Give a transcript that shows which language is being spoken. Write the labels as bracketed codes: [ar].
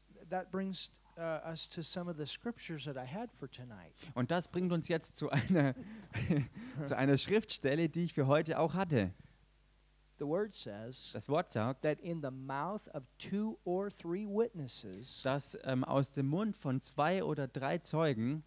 [en] That brings us to some of the scriptures that I had for tonight. [de] Und das bringt uns jetzt zu einer zu einer Schriftstelle, die ich für heute auch hatte. [en] The word says, [de] das Wort sagt, [en] that in the mouth of two or three witnesses, [de] dass aus dem Mund von zwei oder drei Zeugen,